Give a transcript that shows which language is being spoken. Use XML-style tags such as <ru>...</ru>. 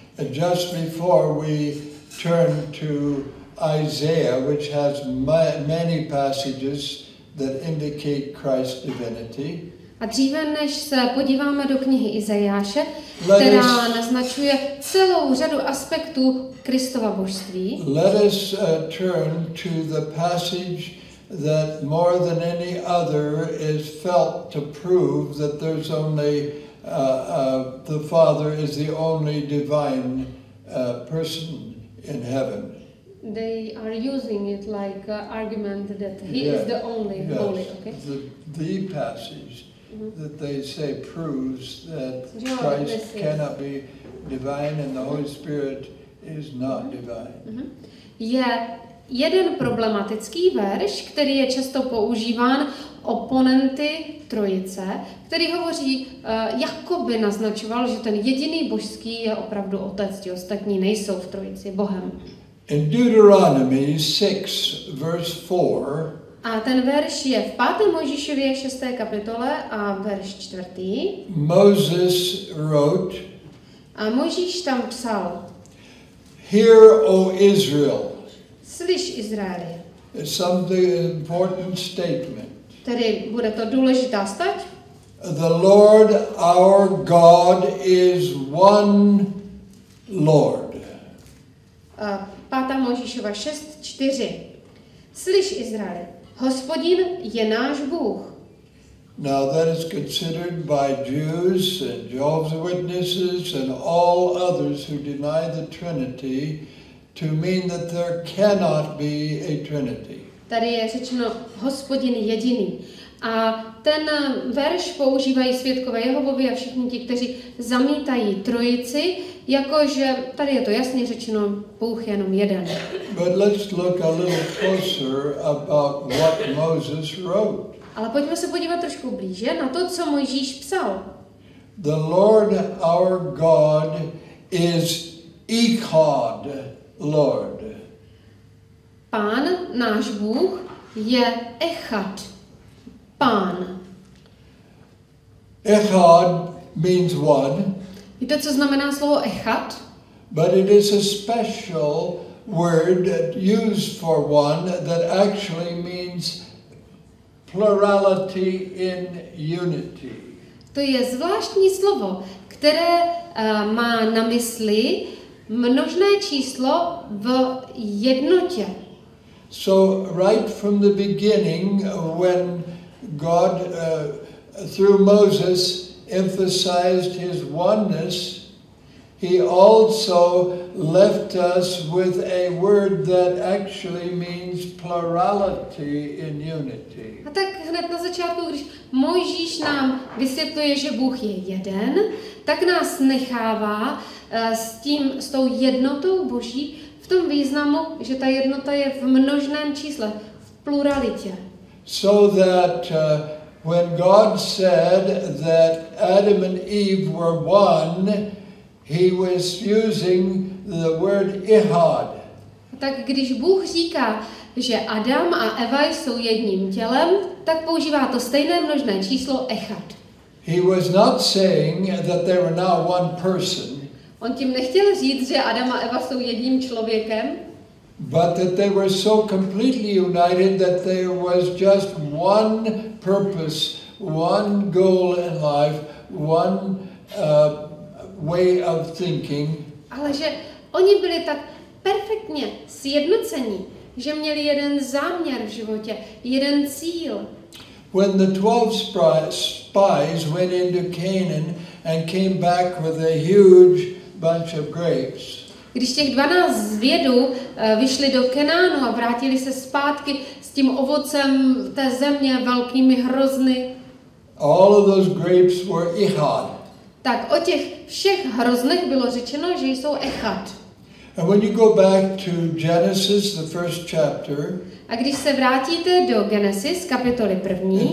<en>Just before we turn to Isaiah, which has many passages that indicate Christ's divinity.</en> <cs>A dříve než se podíváme do knihy Izajáše, která naznačuje celou řadu aspektů Kristova božství.</cs> <en>Let us turn to the passage that more than any other is felt to prove that there's only the Father is the only divine person in heaven. They are using it like argument that he is the only holy, okay? The passage that they say proves that Christ cannot be divine and the Holy Spirit is not divine.</en> <cs>Je jeden problematický verš, který je často používán oponenty Trojice, který hovoří, jakoby naznačoval, že ten jediný božský je opravdu Otec, ti ostatní nejsou v Trojici Bohem.</cs> <en>In Deuteronomy 6, verse 4,</en> <cs>a ten verš je v 5. Mojžíšově 6. kapitole a verš 4.</cs> <en>Moses wrote,</en> <cs>a Mojžíš tam psal,</cs> <en>Hear, O Israel.</en> <cs>Slyš, Izraeli.</cs> <en>Something important statement.</en> <cs>Tedy bude to důležitá stať?</cs> <en>The Lord our God is one Lord.</en> <cs>5. Mojžíšova 6:4. Slyš, Izraeli, Hospodin je náš Bůh.</cs> <en>Now that is considered by Jews and Jehovah's Witnesses and all others who deny the Trinity to mean that there cannot be a Trinity.</en> <cs>Tady je řečeno Hospodin jediný. A ten verš používají svědkové Jehovovi a všichni ti, kteří zamítají Trojici, jakože tady je to jasně řečeno, Bůh jenom jeden.</cs> <en>But let's look a little closer about what Moses wrote.</en> <cs>Ale pojďme se podívat trošku blíže na to, co Mojžíš psal.</cs> <en>The Lord our God is Echad Lord.</en> <cs>Pán, náš Bůh, je Echad, Pán.</cs> <en>Echad means one.</en> <cs>Víte, co znamená slovo Echad?</cs> <en>But it is a special word used for one that actually means plurality in unity.</en> <cs>To je zvláštní slovo, které má na mysli množné číslo v jednotě.</cs> <en>So right from the beginning, when God through Moses emphasized his oneness, he also left us with a word that actually means plurality in unity.</en> <cs>A tak hned na začátku, když Mojžíš nám vysvětluje, že Bůh je jeden, tak nás nechává s tím, s tou jednotou Boží v tom významu, že ta jednota je v množném čísle, v pluralitě.</cs> <en>So that when God said that Adam and Eve were one, he was using the word ihad.</en> <cs>Tak když Bůh říká, že Adam a Eva jsou jedním tělem, tak používá to stejné množné číslo echad.</cs> <en>He was not saying that they were now one person.</en> <cs>On tím nechtěl říct, že Adam a Eva jsou jedním člověkem.</cs> <en>But that they were so completely united that there was just one purpose, one goal in life, one way of thinking.</en> <cs>Ale že oni byli tak perfektně sjednocení, že měli jeden záměr v životě, jeden cíl.</cs> <en>When the 12 spies went into Canaan and came back with a huge bunch of grapes.</en> <cs>Když těch 12 zvědů vyšli do Kenánu a vrátili se zpátky s tím ovocem té země velkými hrozny.</cs> <en>All of those grapes were Echad.</en> <cs>Tak o těch všech hroznech bylo řečeno, že jsou Echad.</cs> <en>And when you go back to Genesis, the first chapter,</en> <cs>a když se vrátíte do Genesis, kapitoly první,</cs>